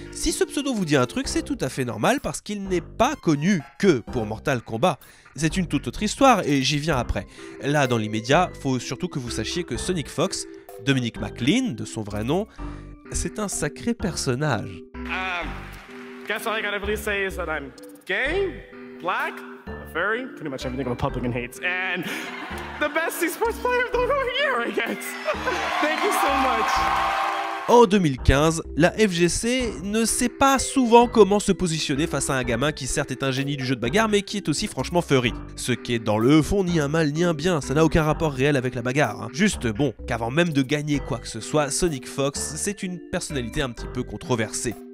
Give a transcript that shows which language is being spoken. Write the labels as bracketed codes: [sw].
[fr] Si ce pseudo vous dit un truc, c'est tout à fait normal parce qu'il n'est pas connu que pour Mortal Kombat. C'est une toute autre histoire et j'y viens après. Là, dans l'immédiat, faut surtout que vous sachiez que Sonic Fox, Dominic McLean de son vrai nom, c'est un sacré personnage. [en] Guess all I gotta really say is that I'm gay, black, a furry, pretty much everything a Republican hates, and the best esports player of the whole year, I guess. Thank you so much. [fr] En 2015, la FGC ne sait pas souvent comment se positionner face à un gamin qui certes est un génie du jeu de bagarre mais qui est aussi franchement furry. Ce qui est dans le fond ni un mal ni un bien, ça n'a aucun rapport réel avec la bagarre. Hein. Juste bon, qu'avant même de gagner quoi que ce soit, Sonic Fox, c'est une personnalité un petit peu controversée.